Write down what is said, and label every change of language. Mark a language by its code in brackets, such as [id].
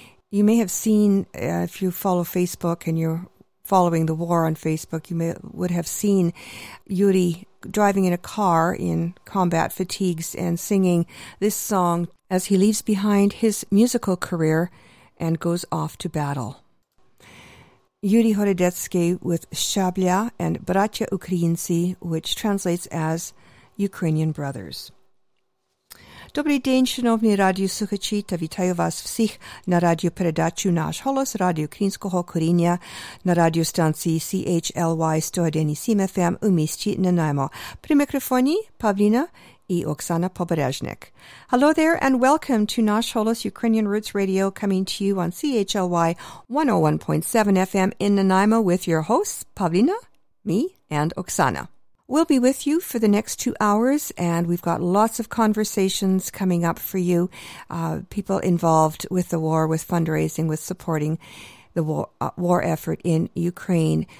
[en] You may have seen, if you follow Facebook and you're following the war on Facebook, you would have seen Yuri driving in a car in combat fatigues and singing this song as he leaves behind his musical career and goes off to battle. Yuri Horodetsky with Shablya and Bratya Ukrainsi, which translates as Ukrainian Brothers. [uk] Добрий день, шановні радіослухачі, та вітаю вас всіх на радіопередачу «Наш голос» Радіо Українського коріння на радіостанції CHLY 101.7 FM у місті Нанаймо. При мікрофоні Павліна I Oksana Pobrezhnik. [en] Hello there and welcome to Nash Holos Ukrainian Roots Radio, coming to you on CHLY 101.7 FM in Nanaimo with your hosts, Pavlina, me, and Oksana. We'll be with you for the next 2 hours, and we've got lots of conversations coming up for you, people involved with the war, with fundraising, with supporting the war effort in Ukraine.